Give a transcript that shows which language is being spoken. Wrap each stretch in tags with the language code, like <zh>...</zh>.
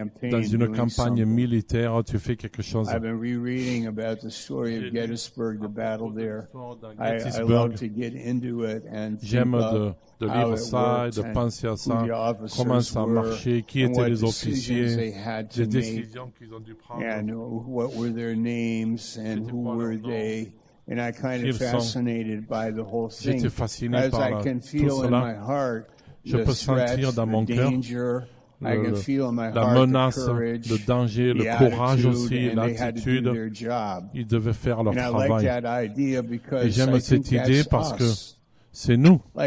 <fr>Dans une campagne militaire, tu fais quelque chose.</fr> <en>I've been rereading about the story of Gettysburg, the battle there. I love to get into it and</en> <fr>j'aime de lire ça et de penser à ça. Comment ça a marché, qui étaient les officiers, les décisions qu'ils ont dû prendre.</fr> <en>And what were their names and who were they? And I kind of fascinated by the whole thing.</en> <fr>J'étais fasciné par tout cela. Je peux sentir dans mon cœur la menace, le danger, le courage aussi, l'attitude. Ils devaient faire leur travail. Et j'aime cette idée parce que c'est nous.</fr>